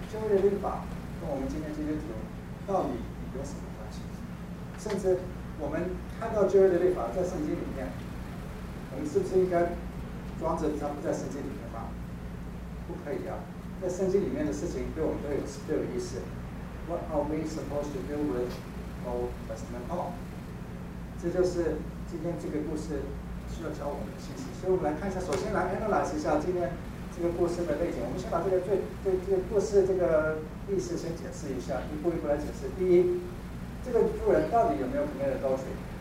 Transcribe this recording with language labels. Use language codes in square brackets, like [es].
[zh] 旧约的律法跟我们今天基督徒到底有什么关系？甚至我们看到旧约的律法在圣经里面，我们是不是应该装着它不在圣经里面吗？不可以啊，在圣经里面的事情对我们都有意思。 [en] What are we supposed to deal with Old Testament law？ [zh] 这就是今天这个故事需要教我们的信息。所以我们来看一下，首先来 analyze 一下今天这个故事的背景。我们先把这个这个故事这个意思先解释一下，一步一步来解释。第一，这个妇人到底有没有 [en] commit adultery？